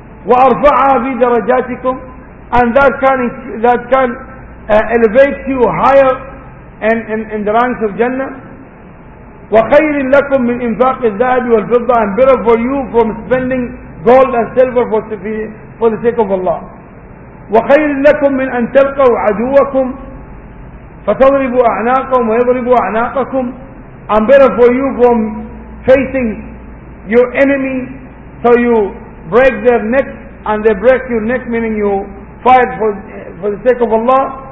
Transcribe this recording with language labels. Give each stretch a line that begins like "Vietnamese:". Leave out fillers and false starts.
Arabic: وَأَرْفَعَهَا فِي دَرَجَاتِكُمْ,
English: and that can elevate you higher in the ranks of Jannah.
Arabic: وخير لكم من انفاق الذهب والفضة
English: and better for you from spending gold and silver for the sake of Allah.
Arabic: وخير لكم من أن تلقوا عدوكم فتضربوا أعناقهم ويضربوا أعناقكم.
English: I'm better for you from facing your enemy so you break their neck and they break your neck, meaning you fight for the sake of Allah.